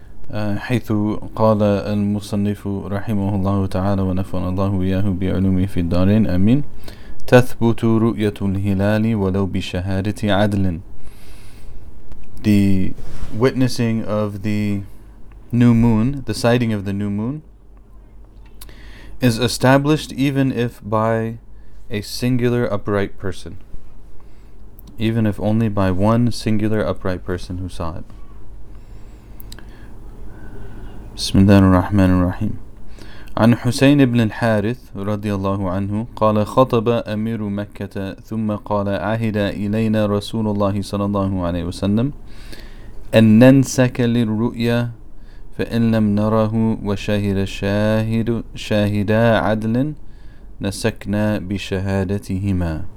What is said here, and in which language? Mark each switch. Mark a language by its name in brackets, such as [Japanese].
[Arabic] حيث قال المصنف رحمه الله تعالى ونفعنا الله وإياه بعلومه في الدارين آمين تثبت رؤية الهلال ولو بشهادة عدل. [English] The witnessing of the new moon, the sighting of the new moon, is established even if by a singular upright person, even if only by one singular upright person who saw it. [Arabic] Bismillah ar-Rahman ar-Rahim. عن حسين بن الحارث رضي الله عنه قال خطب أمير مكة ثم قال عهد إلينا رسول الله صلى الله عليه وسلم أن ننسك للرؤيا فإن لم نره وشهد شاهدا عدلا نسكنا بشهادتهما.